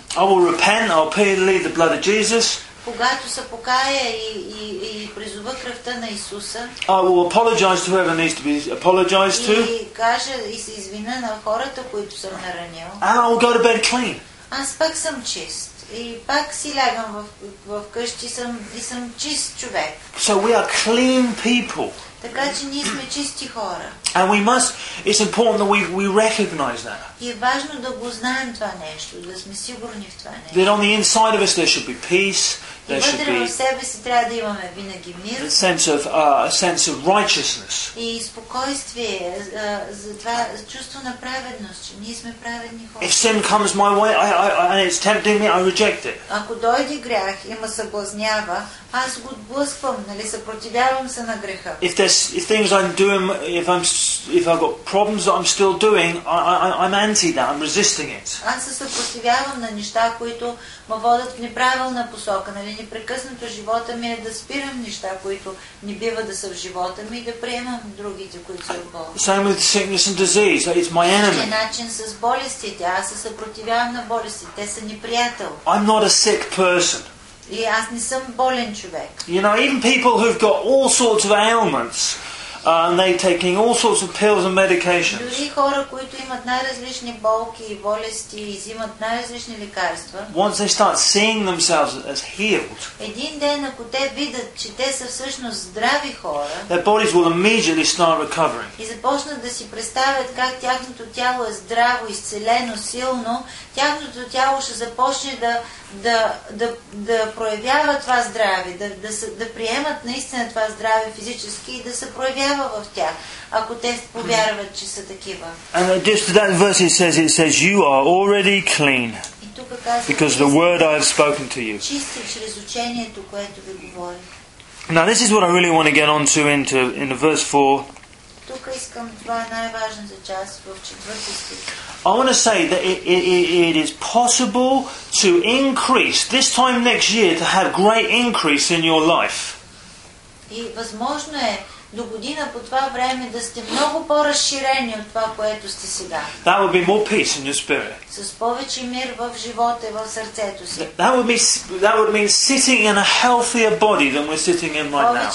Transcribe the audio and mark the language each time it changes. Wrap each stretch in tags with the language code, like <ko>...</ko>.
<en>I will repent, I'll plead the blood of Jesus.</en> <bg>когато се покая и призова кръвта на Исуса,</bg> <en>I will apologize to whoever needs to be apologized to.</en> <bg>И кажа и се извиня на хората, които съм наранил.</bg> <en>And I will go to bed clean.</en> <bg>Аз пак съм чист. И пак си лягам в къщи и съм чист човек.</bg> <en>So we are clean people.</en> <bg>Така че ние сме чисти хора.</bg> <en>And we must, it's important that we recognize that.</en> <bg>И е важно да го знаем това нещо, да сме сигурни в това нещо.</bg> <en>That on the inside of us there should be peace. There</en> <bg>и вътре в себе си трябва да имаме винаги мир.</bg> <en>A sense of, righteousness.</en> <bg>И спокойствие, за това чувство на праведност, че ние сме праведни хора.</bg> <en>If sin comes my way, and it's tempting me, I reject it.</en> <bg>Ако дойде грях и ме съблазнява, аз го отблъсквам, нали, съпротивявам се на греха.</bg> <en>If I've got problems that I'm still doing, I'm anti that, I'm resisting it.</en> <bg>Аз се съпротивявам на неща, които ме водят в неправилна посока. Нали, непрекъснато живота ми е да спирам неща, които не бива да са в живота ми и да приемам другите, които са в болни.</bg> <en>Same with sickness and disease, it's my enemy.</en> <bg>Същия начин с болестите, аз се съпротивявам на болестите, те са неприятел.</bg> <en>I'm not a sick person.</en> <bg>И аз не съм болен човек.</bg> <en>You know, even people who've got all sorts of ailments, and they're taking all sorts of pills and medications.</en> <bg>Дори хора, които имат най-различни болки и болести и взимат най-различни лекарства.</bg> <en>Once they start seeing themselves as healed.</en> <bg>Един ден, ако те видят, че те са всъщност здрави хора.</bg> <en>Their bodies will immediately start recovering.</en> <bg>И започнат да си представят как тяхното тяло е здраво, изцелено, силно. Тяхното тяло ще започне да проявява това здраве, да приемат наистина това здраве физически и да се проявява в тях, ако те повярват, че са такива.</bg> <en>And just to that verse it says you are already clean.</en> <bg>И тук казва,</bg> <en>because the word I have spoken to you.</en> <bg>Чисти чрез учението, което ви говори.</bg> <en>Now this is what I really want to get onto in the verse 4.</en> <bg>Тук искам това най-важната част в четвърти стих.</bg> <en>I want to say that it is possible to increase this time next year to have great increase in your life.</en> <bg>И възможно е до година по това време да сте много по-разширени от това, което сте сега.</bg> <en>That would be more peace in your spirit.</en> <bg>С повече мир в живота и в сърцето си.</bg> <en>That would mean sitting in a healthier body than we're sitting in right now.</en>